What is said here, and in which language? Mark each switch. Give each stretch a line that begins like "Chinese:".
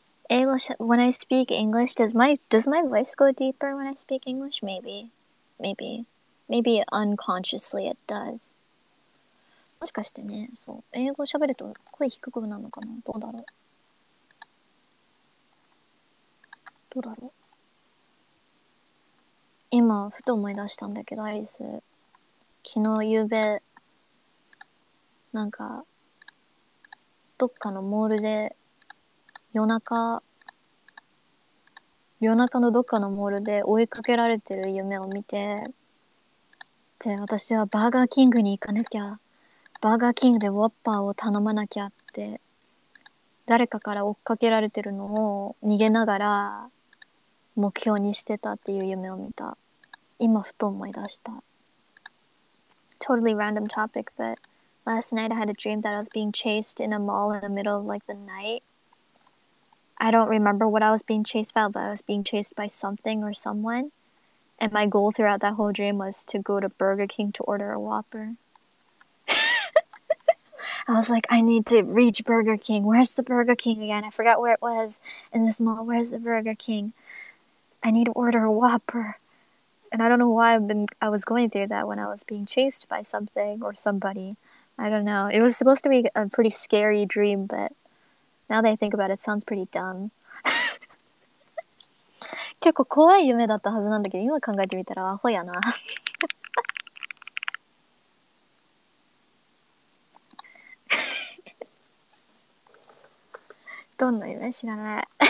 English: English, when I speak English, does my voice go deeper when I speak English? Maybe unconsciously it does.
Japanese: もしかしてね、そう、英語喋ると声低くなるのかな、どうだろう。どうだろう。今ふと思い出したんだけど、アイリス、昨日夕べなんかどっかのモールで夜中のどっかのモールで追いかけられてる夢を見て、で私はバーガーキングに行かなきゃ、バーガーキングでウォッパーを頼まなきゃって、誰かから追っかけられてるのを逃げながら目標にしてたっていう夢を見た。今ふと思い出した。
English: Totally random topic, but last night I had a dream that I was being chased in a mall in the middle of like the night. I don't remember what I was being chased by, but I was being chased by something or someone. And my goal throughout that whole dream was to go to Burger King to order a Whopper. I was like, I need to reach Burger King. Where's the Burger King again? I forgot where it was in this mall. Where's the Burger King? I need to order a Whopper. And I don't know why I was going through that when I was being chased by something or somebody. I don't know. It was supposed to be a pretty scary dream, but now that I think about it, it sounds pretty dumb.
Japanese: 結構怖い夢だったはずなんだけど、今考えてみたらアホやな。どんな夢知らない。